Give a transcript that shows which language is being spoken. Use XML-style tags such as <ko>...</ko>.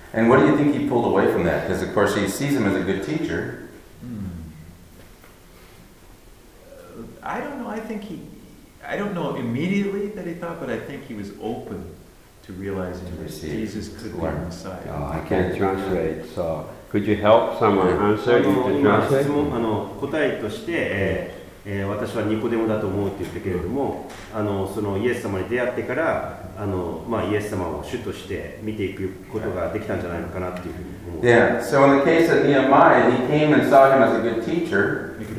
<en>And what do you think he pulled away from that? Because of course he sees him as a good teacher. I don't know. I don't know immediately that he thought, but I think he was open to realizing to that Jesus could learn. Be Messiah. Oh, I can't translate, so could you help someone answer?</en> <ja>答えとして、私はニコデモだと思うと言ったけれども、そのイエス様に出会ってから、まあ、イエス様を主として見ていくことができたんじゃないのかなっていうふうに思う。</ja> <en>Yeah, so in the case of Nehemiah, he came and saw him as a good teacher.</en>